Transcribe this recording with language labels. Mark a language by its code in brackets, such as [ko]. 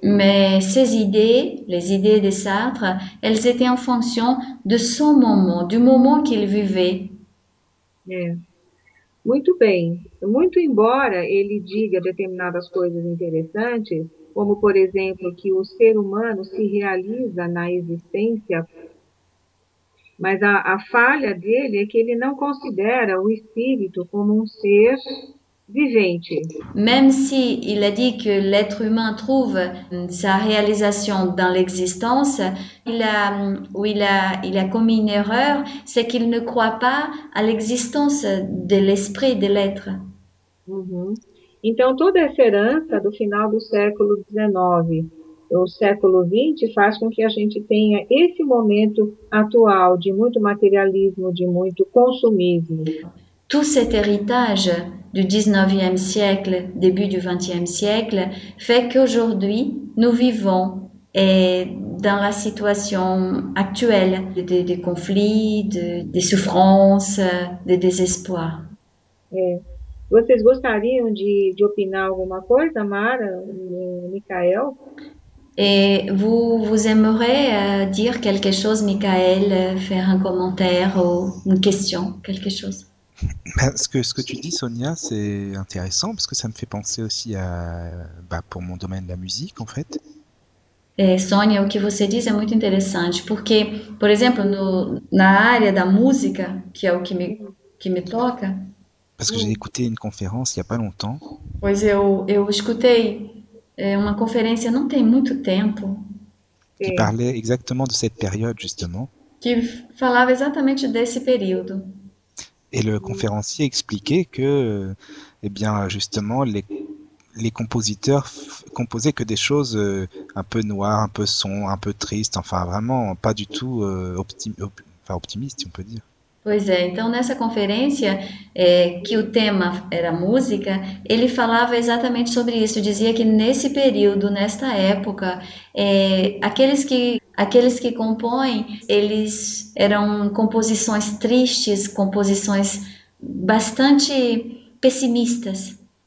[fr] Mais ces idées, les idées de Sartre, elles étaient en fonction de son moment, du moment qu'il vivait. [pt] Muito bem. Muito embora ele diga determinadas coisas interessantes, como, por exemplo, que o ser humano se realiza na existência, mas a falha dele é que ele não considera o espírito como um ser vivente. [fr] Même si il a dit que l'être humain trouve sa réalisation dans l'existence, il a commis une erreur, c'est qu'il ne croit pas à l'existence de l'esprit, de l'être. [pt] Então, toda essa herança do final do século XIX, o século XX, faz com que a gente tenha esse momento atual de muito materialismo, de muito consumismo. [fr] Tout cet héritage du 19e siècle, début du 20e siècle, fait qu'aujourd'hui, nous vivons et dans la situation actuelle des conflits, des souffrances, des désespoirs. [pt] Vocês gostariam de opinar alguma coisa, Mara, Michael? [fr] Et vous aimeriez dire quelque chose, Michael, faire un commentaire ou une question, quelque chose? Ce que tu dis, Sonia, c'est intéressant parce que ça me fait penser aussi à, pour mon domaine de la musique, en fait. [pt] É, Sônia, o que você diz é muito interessante, porque, por exemplo, no, na área da música, que é o que me toca, [fr] Parce que j'ai écouté une conférence il n'y a pas longtemps. [pt] pois eu escutei uma conférence não tem muito tempo, [fr] Qui parlait exactement de cette période, justement. [pt] que falava exatamente desse período. [fr] Et le conférencier expliquait que, eh bien, justement, les compositeurs composaient que des choses un peu noires, un peu sombres, un peu tristes, enfin, vraiment, pas du tout optimistes, si on peut dire. [pt] Pois é, então nessa conferência, que o tema era música, ele falava exatamente sobre isso. Dizia que nesse período, nesta época, aqueles que compõem, eles eram composições tristes, composições bastante pessimistas.